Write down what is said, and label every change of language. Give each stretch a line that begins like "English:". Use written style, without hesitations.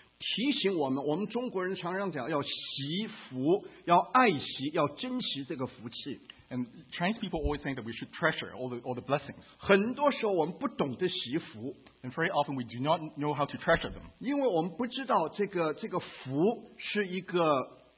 Chinese: 提醒我们，我们中国人常常讲要惜福，要爱惜，要珍惜这个福气。
English: And Chinese people always think that we should treasure all the blessings.
Chinese: 很多时候我们不懂得惜福。
English: And very often we do not know how to treasure them.
Chinese: 因为我们不知道这个福是一个。